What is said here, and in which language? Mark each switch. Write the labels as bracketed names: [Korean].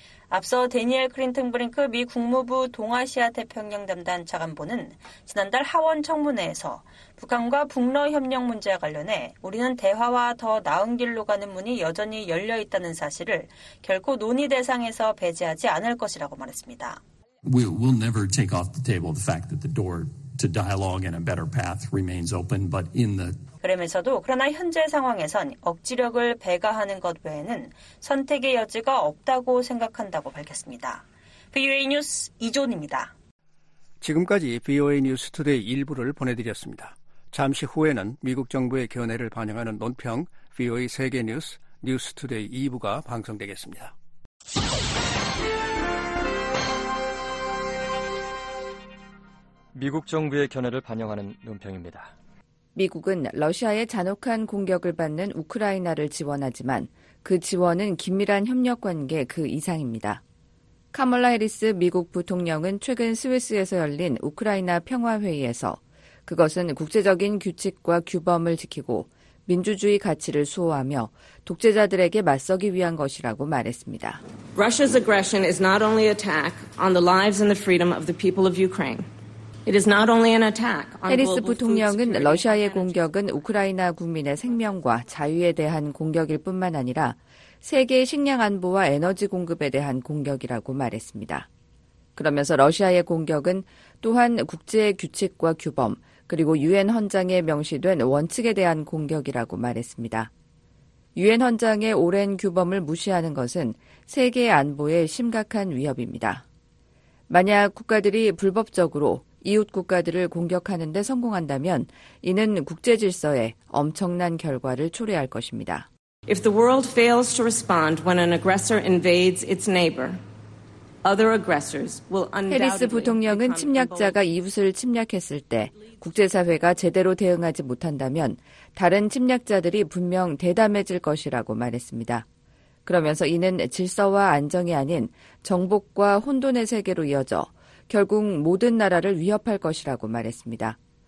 [Korean] 앞서 대니엘 클린턴브링크 미 국무부 동아시아 태평양 담당 차관보는 지난달 하원 청문회에서 북한과 북러 협력 문제와 관련해 우리는 대화와 더 나은 길로 가는 문이 여전히 열려 있다는 사실을 결코 논의 대상에서 배제하지 않을 것이라고 말했습니다. [English] We'll never take off the table the fact that the door to dialogue and a better path remains open, but in the [Korean] 그러면서도 그러나 현재 상황에선 억지력을 배가하는 것 외에는 선택의 여지가 없다고 생각한다고 밝혔습니다. VOA 뉴스 이존입니다. 지금까지 VOA 뉴스 투데이 일부를 보내드렸습니다. 잠시 후에는 미국 정부의 견해를 반영하는 논평 VOA 세계 뉴스 뉴스 투데이 2부가 방송되겠습니다. 미국 정부의 견해를 반영하는 논평입니다. 미국은 러시아의 잔혹한 공격을 받는 우크라이나를 지원하지만 그 지원은 긴밀한 협력관계 그 이상입니다. 카멀라 해리스 미국 부통령은 최근 스위스에서 열린 우크라이나 평화회의에서 그것은 국제적인 규칙과 규범을 지키고 민주주의 가치를 수호하며 독재자들에게 맞서기 위한 것이라고 말했습니다. [English] Russia's aggression is not only an attack on the lives and the freedom of the people of Ukraine. It is not only an attack on [Korean] 해리스 부통령은 러시아의 공격은 우크라이나 국민의 생명과 자유에 대한 공격일 뿐만 아니라 세계의 식량 안보와 에너지 공급에 대한 공격이라고 말했습니다. 그러면서 러시아의 공격은 또한 국제 규칙과 규범 그리고 유엔 헌장에 명시된 원칙에 대한 공격이라고 말했습니다. 유엔 헌장의 오랜 규범을 무시하는 것은 세계의 안보에 심각한 위협입니다. 만약 국가들이 불법적으로 이웃 국가들을 공격하는 데 성공한다면 이는 국제 질서에 엄청난 결과를 초래할 것입니다. [English] If the world fails to respond when an aggressor invades its neighbor, other aggressors will undoubtedly [Korean] 해리스 부통령은 침략자가 이웃을 침략했을 때 국제사회가 제대로 대응하지 못한다면 다른 침략자들이 분명 대담해질 것이라고 말했습니다. 그러면서 이는 질서와 안정이 아닌 정복과 혼돈의 세계로 이어져 결국 모든 나라를 위협할 것이라고 말했습니다.